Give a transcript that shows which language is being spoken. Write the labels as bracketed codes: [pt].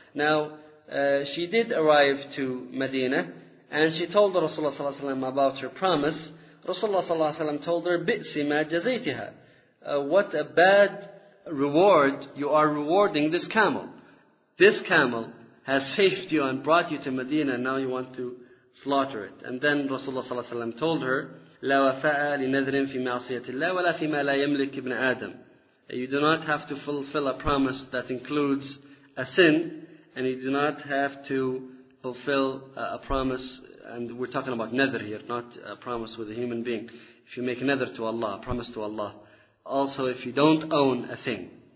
[en] Now, she did arrive to Medina, and she told Rasulullah sallallahu alaihi wasallam about her promise. Rasulullah sallallahu alaihi wasallam told her, [ar] بِئْسِ مَا جَزَيْتِهَا. [en] What a bad reward you are rewarding this camel. This camel has saved you and brought you to Medina, and now you want to slaughter it. And then Rasulullah sallallahu alaihi wasallam told her, [ar] لَا وَفَاءَ لِنَذْرٍ فِي مَعْصِيَةِ اللَّهِ وَلَا فِي مَا لَا يَمْلِكِ إِبْنَ آدَمٍ. [en] You do not have to fulfill a promise that includes a sin, and you do not have to fulfill a promise, and we're talking about nadr here, not a promise with a human being. If you make nadr to Allah, a promise to Allah, also if you don't own a thing.